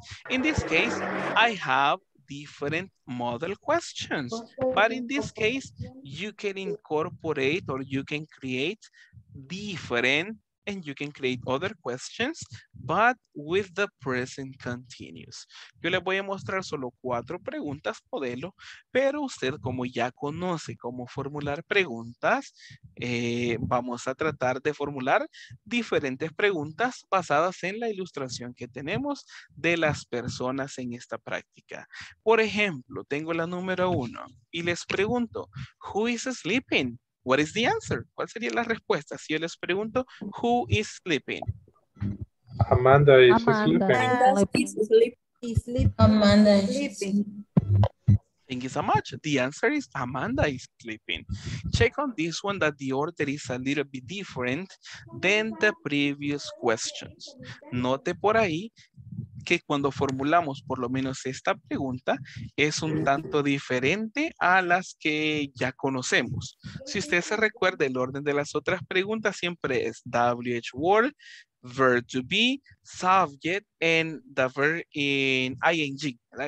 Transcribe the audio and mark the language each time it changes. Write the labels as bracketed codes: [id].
[en] In this case, I have different model questions, but in this case you can incorporate or you can create different and you can create other questions, but with the present continuous. [es] Yo les voy a mostrar solo 4 preguntas modelo, pero usted como ya conoce cómo formular preguntas, vamos a tratar de formular diferentes preguntas basadas en la ilustración que tenemos de las personas en esta práctica. Por ejemplo, tengo la número 1 y les pregunto, [en] who is sleeping? What is the answer? [es] ¿Cuál sería la respuesta? Si yo les pregunto, [en] who is sleeping? Amanda is sleeping. Amanda is sleeping. Thank you so much. The answer is Amanda is sleeping. Check on this one that the order is a little bit different than the previous questions. [es] Note por ahí que cuando formulamos por lo menos esta pregunta es un tanto diferente a las que ya conocemos. Si usted se recuerda, el orden de las otras preguntas siempre es [en] WH word, verb to be, subject, and the verb in ing. [es] ¿Verdad?